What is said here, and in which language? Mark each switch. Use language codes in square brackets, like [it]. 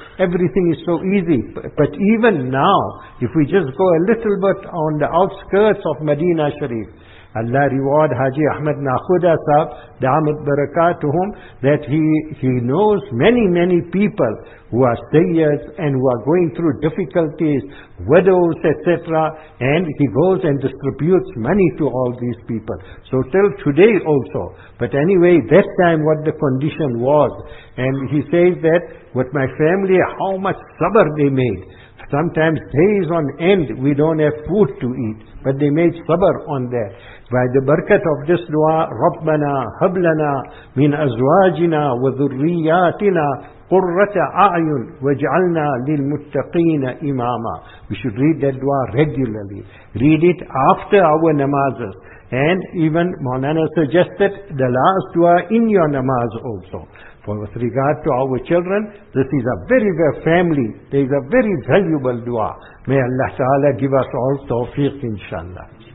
[en] Everything is so easy. But even now, if we just go a little bit on the outskirts of Medina Sharif, Allah reward Haji Ahmed Nakhuda Sahib, Damat Barakatuhum, that he knows many, many people who are sayyids and who are going through difficulties, widows, etc., and he goes and distributes money to all these people. So till today also. But anyway, that time what the condition was. And he says that with my family, how much sabr they made. Sometimes days on end we don't have food to eat, but they made sabr on that. By the barakat of this dua, [ar] رَبَّنَا هَبْلَنَا مِنْ أَزْوَاجِنَا وَذُرِّيَّاتِنَا قُرَّةَ أَعْيُنْ وَجْعَلْنَا لِلْمُتَّقِينَ إِمَامًا. [en] We should read that dua regularly. Read it after our namazes. And even Maulana suggested the last dua in your namaz also. For with regard to our children, this is a very, very family. There is a very valuable dua. May Allah Ta'ala give us all tawfiq, inshallah.